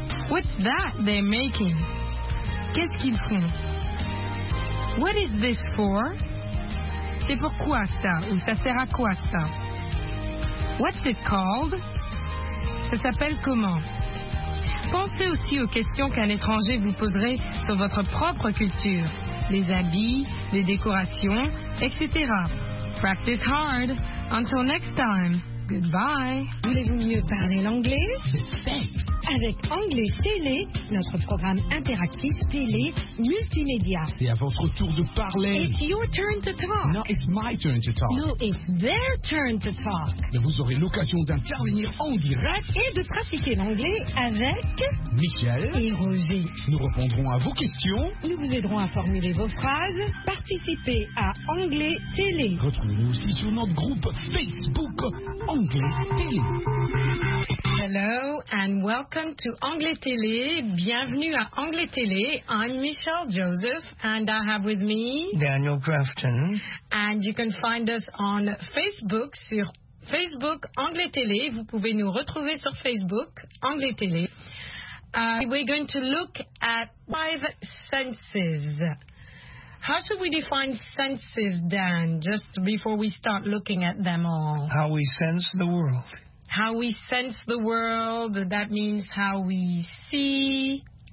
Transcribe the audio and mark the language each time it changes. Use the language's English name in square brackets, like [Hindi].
[English] What's that they're making? [French] Qu'est-ce qu'ils font? What is this for? C'est pourquoi ça? Ou ça sert à quoi ça? What's it called? Ça s'appelle comment? Pensez aussi aux questions qu'un étranger vous poserait sur votre propre culture. Les habits, les décorations, etc. [English] Practice hard. Until next time. Goodbye. [French] Voulez-vous mieux parler l'anglais? Avec Anglais Télé, notre programme interactif télé multimédia. C'est à votre tour de parler. [English] It's your turn to talk. No, it's my turn to talk. No, it's their turn to talk. [French] Mais vous aurez l'occasion d'intervenir en direct et de pratiquer l'anglais avec Michel et Roger. Nous répondrons à vos questions. Nous vous aiderons à formuler vos phrases. Participez à Anglais Télé. Retrouvez-nous aussi sur notre groupe Facebook Anglais Télé. [English] Hello and welcome to Anglais Télé. [French] Bienvenue à Anglais Télé. [English] I'm Michelle Joseph and I have with me Daniel Grafton. And you can find us on Facebook, sur Facebook Anglais Télé. [French] Vous pouvez nous retrouver sur Facebook Anglais Télé. [English] We're going to look at five senses. How should we define senses, Dan, just before we start looking at them all? How we sense the world. How we sense the world, that means how we see,